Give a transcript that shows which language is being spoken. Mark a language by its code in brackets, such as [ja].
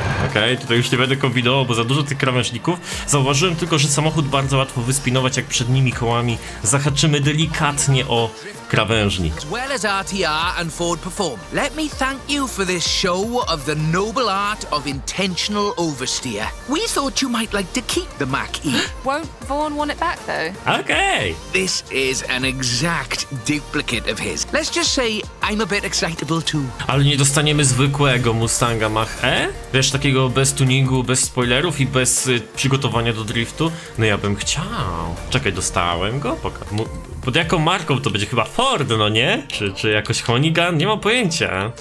[pl] Okej, tutaj już nie będę kombinował, bo za dużo tych krawężników. Zauważyłem tylko, że samochód bardzo łatwo wyspinować, jak przednimi kołami zahaczymy delikatnie o krawężnik. [en] As well as RTR and Ford Perform, let me thank you for this show of the noble art of intentional oversteer. We thought you might like to keep the Mach-E. Won't Vaughn want it back though? Okej! This is an exact duplicate of his. Let's just say I'm a bit excitable too. [pl] Ale nie dostaniemy zwykłego Mustanga Mach-E? Wiesz, takiego bez tuningu, bez spoilerów i bez przygotowania do driftu? No ja bym chciał. Czekaj, dostałem go? Pod jaką marką to będzie? Chyba Ford, no nie? Czy jakoś Honigan? Nie mam pojęcia.